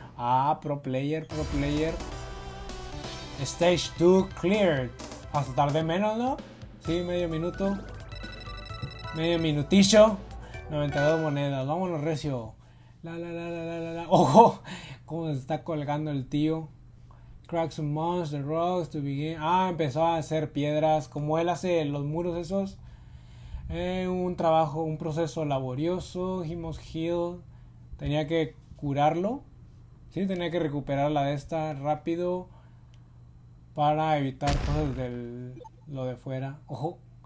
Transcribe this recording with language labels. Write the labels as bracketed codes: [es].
[en] ¡Ah! Pro player, pro player. Stage 2 cleared. [es] Hasta tardé menos, ¿no? Sí, medio minuto. Medio minutillo. 92 monedas. Vámonos, recio. La, la, la, la, la, la, la. ¡Ojo! ¿Cómo se está colgando el tío? [en] Crack some monster rocks to begin. [es] Ah, empezó a hacer piedras. Como él hace los muros esos. Un trabajo, un proceso laborioso. [en] He must heal. [es] Tenía que curarlo. Sí, tenía que recuperarla de esta rápido. Para evitar cosas del lo de fuera. Ojo.